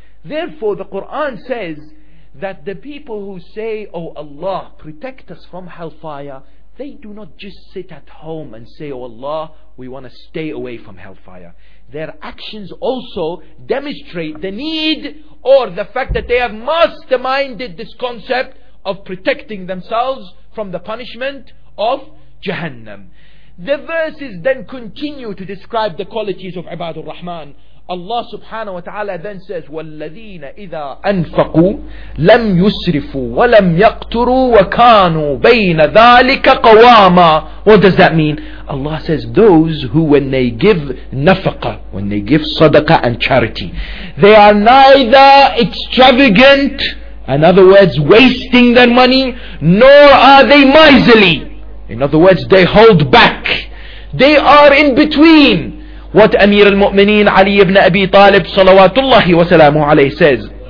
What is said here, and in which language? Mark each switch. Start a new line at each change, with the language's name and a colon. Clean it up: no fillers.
English: Therefore, the Quran says that the people who say, Oh Allah, protect us from hellfire, they do not just sit at home and say, Oh Allah, we want to stay away from hellfire. Their actions also demonstrate the need or the fact that they have masterminded this concept of protecting themselves from the punishment of Jahannam. The verses then continue to describe the qualities of Ibadur Rahman.
Arabic: Allah subhanahu wa ta'ala
English: then says,
Arabic: وَالَّذِينَ إِذَا أَنْفَقُوا لَمْ يُسْرِفُوا وَلَمْ يَقْتُرُوا وَكَانُوا بَيْنَ ذَٰلِكَ قَوَامًا.
English: What does that mean? Allah says, those who when they give nafaqah, when they give sadaqah and charity, they are neither extravagant In other words, wasting their money, nor are they miserly. In other words, they hold back. They are in between what Amir al-Mu'mineen Ali ibn Abi Talib salawatullahi wa salamu alayhi says.